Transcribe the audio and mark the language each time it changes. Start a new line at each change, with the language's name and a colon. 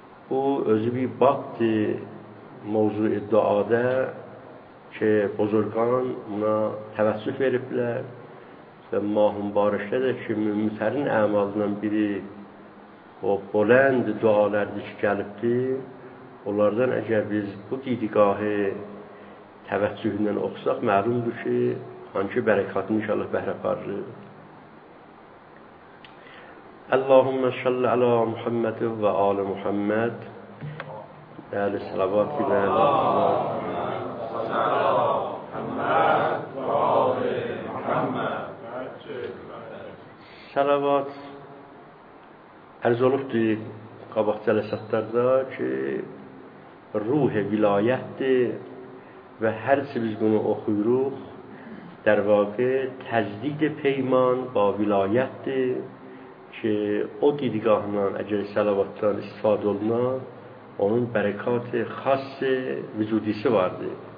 Azerbaijani: Bu, özü bir baktı mövzu duada ki, bozorqan buna təvəssüf veriblər və mahum barışda da ki, mümitərin əmalından biri o boləndi dualərdir ki, gəlibdir. Onlardan əgər biz bu didiqahı təvəssüfindən oxusaq, məlumdur ki, hangi bərəkatını inşallah bəhrə qarırıq.
Arabic: اللهم صل على محمد وآل محمد آل صلوات الى محمد صل على محمد وآل محمد
Azerbaijani: صلوات عرض olubdu qabaq cələsətlərdə ki ruh-i vilayətdir və hər kəs biz bunu oxuyuruq dər vaqə təcdid peyman va vilayətdir ki, o didiqahla, əgər səlavatdan istifadə oluna, onun bərəkatı, xassı, vücudisi vardır.